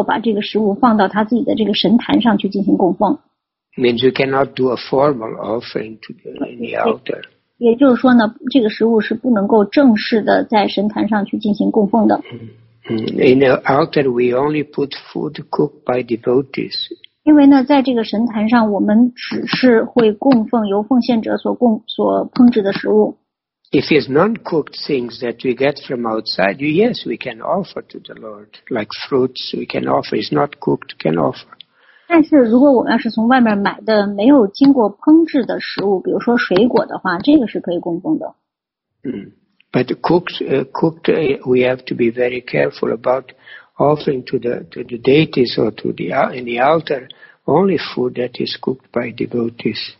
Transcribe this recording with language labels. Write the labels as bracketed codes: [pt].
[zh] 那作为奉献者来讲呢，有的时候呢，就是由于没有办法做饭，然后但是呢，他又必须要有这个食物去补充自己的营养，那他就可以就是比如说他不得不去吃外面的这个饭，但他拿到外面的这个饭的时候呢，他可以做一个内心里面的这么一个供奉或者这么一个祈祷，但是呢，不能够把这个食物放到他自己的这个神坛上去进行供奉。 [en] Means you cannot do a formal offering to the, in the altar. [zh] 也就是说呢，这个食物是不能够正式的在神坛上去进行供奉的。 [en] In the altar, we only put food cooked by devotees. [zh] 因为呢，在这个神坛上，我们只是会供奉由奉献者所烹制的食物。 [en] If it's non-cooked things that we get from outside, yes, we can offer to the Lord, like fruits. We can offer. It's not cooked. Can offer. [zh] 但是如果我们要是从外面买的没有经过烹制的食物，比如说水果的话，这个是可以供奉的。But [en] cooked, we have to be very careful about offering to the deities or to the in the altar only food that is cooked by devotees.